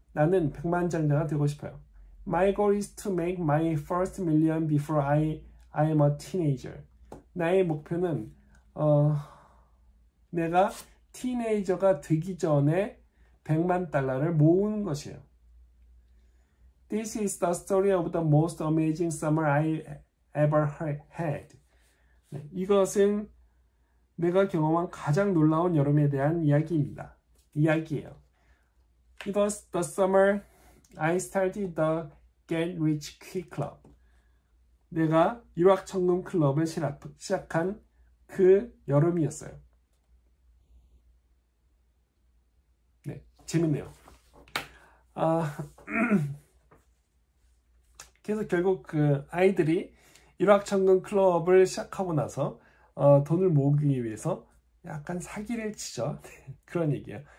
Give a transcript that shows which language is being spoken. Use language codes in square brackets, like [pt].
[ko] 나는 백만장자가 되고 싶어요. [en] My goal is to make my first million before I am a teenager. [ko] 나의 목표는 내가 티네이저가 되기 전에 100만 달러를 모으는 것이에요. [en] This is the story of the most amazing summer I ever had. [ko] 네, 이것은 내가 경험한 가장 놀라운 여름에 대한 이야기입니다. 이야기예요. [en] It was the summer I started the Get Rich Quick Club. [ko] 내가 유학청금 클럽을 시작한 그 여름이었어요. 재밌네요. 그래서 결국 그 아이들이 일확천금 클럽을 시작하고 나서 돈을 모으기 위해서 약간 사기를 치죠. 그런 얘기예요.